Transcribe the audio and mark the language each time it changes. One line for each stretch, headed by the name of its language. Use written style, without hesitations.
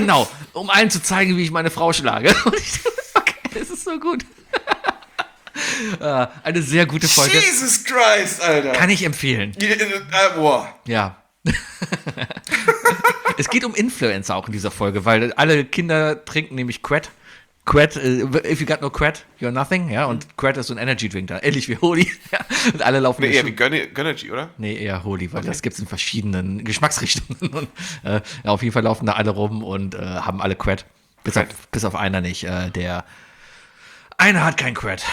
German: Genau, um allen zu zeigen, wie ich meine Frau schlage. Okay, das ist so gut. Eine sehr gute Folge.
English: Jesus Christ,
German: Alter. Kann ich empfehlen. Ja. Es geht um Influencer auch in dieser Folge, weil alle Kinder trinken nämlich Quet.
English: Quet, if you got no Quet, you're nothing.
German: Ja, und Quet ist so ein Energy Drink da, ähnlich wie Holy. Und alle laufen. Nee, eher wie Gönnergy, oder? Nee, eher Holy, weil okay. Das gibt es in verschiedenen Geschmacksrichtungen. Und, ja, auf jeden Fall laufen da alle rum und haben alle Quet. Bis auf einer nicht. Der einer hat kein Quet.